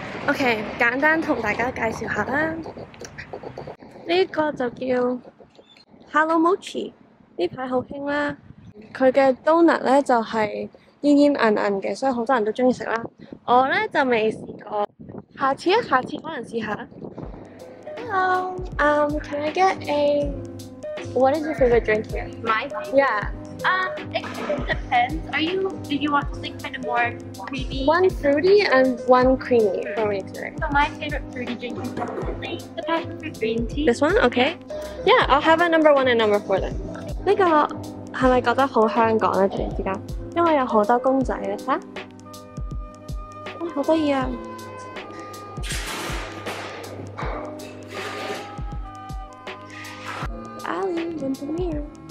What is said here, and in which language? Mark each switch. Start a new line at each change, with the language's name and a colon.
Cantonese: OK， 简单跟大家介绍一下啦。呢、这個就叫 Hello Mochi， 呢排好興啦。佢嘅 donut 咧就係煙煙韌韌嘅，所以好多人都中意食啦。我咧就未試過，下次可能試下。
English: Hello， can I get a what is your favorite drink here？ My favorite？ Yeah。 It depends. Do you want something kind of more creamy? One fruity and one creamy for me today. So my favorite fruity drink is definitely the passion fruit green tea. This one? Okay. Yeah, I'll have a number one and number four then.
Cantonese: 呢个系咪觉得好香港咧？突然之间，因为有好多公仔咧，吓，哇，好得意啊！阿玲，闻到咩？